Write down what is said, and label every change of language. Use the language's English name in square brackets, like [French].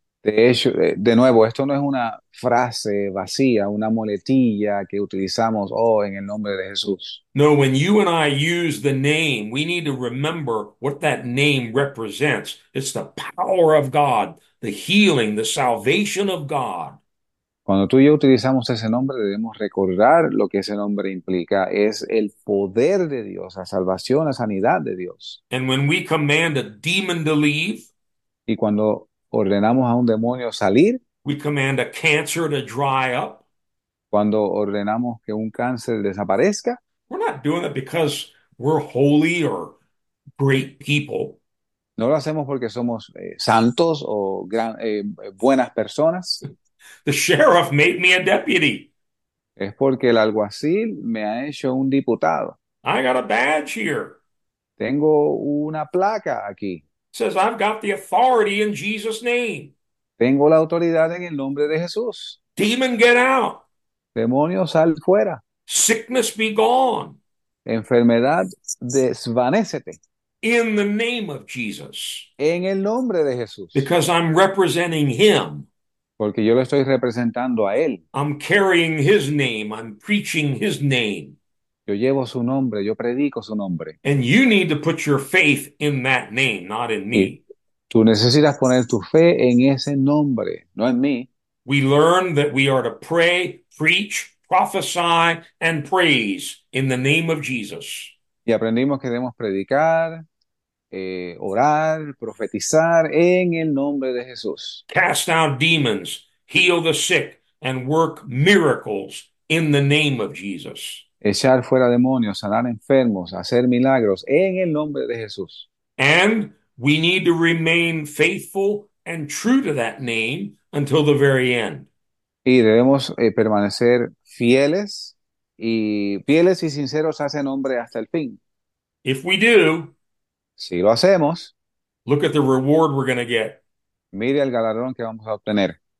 [Spanish] De hecho, de nuevo, esto no es una frase vacía, una muletilla que utilizamos, oh, en el nombre de Jesús. [English] No, when you and I use the name, we need to remember what that name represents. It's the power of God, the healing, the salvation of God. [Spanish] Cuando tú y yo utilizamos ese nombre, debemos recordar lo que ese nombre implica. Es el poder de Dios, la salvación, la sanidad de Dios. [English] And when we command a demon to leave, [Spanish] Y cuando ordenamos a un demonio salir, [English] we command a cancer to dry up. [Spanish] cuando ordenamos que un cáncer desaparezca, [English] Doing it because we're holy or great people. [Spanish] no lo hacemos porque somos santos o buenas personas. [English] The sheriff made me a deputy. [Spanish] Es porque el alguacil me ha hecho un diputado. [English] I got a badge here. [Spanish] Tengo una placa aquí. [English] Says I've got the authority in Jesus' name. [Spanish] Tengo la autoridad en el nombre de Jesús. [English] Demon, get out. [Spanish] Demonio, sal fuera. [English] Sickness, be gone. [Spanish] Enfermedad, desvanécete. [English] In the name of Jesus, [Spanish] En el nombre de Jesús. [English] because I'm representing him, [Spanish] Porque yo lo estoy representando a Él. [English] I'm carrying his name, I'm preaching his name, [Spanish] Yo llevo su nombre, yo predico su nombre. [English] and you need to put your faith in that name, not in [Spanish] Y [English] me. [Spanish] tú necesitas poner tu fe en ese nombre, no en mí. [English] We learn that we are to pray, preach, prophesy, and praise in the name of Jesus. [Spanish] Y aprendimos que debemos predicar, orar, profetizar en el nombre de Jesús. [English] Cast out demons, heal the sick, and work miracles in the name of Jesus. [Spanish] Echar fuera demonios, sanar enfermos, hacer milagros en el nombre de Jesús. [English] And we need to remain faithful and true to that name until the very end. [Spanish] Y debemos permanecer fieles y sinceros a ese nombre hasta el fin. [English] If we do, [Spanish] Si lo hacemos, [English] look at the reward we're going to get. [Spanish] mire el galardón que vamos a obtener.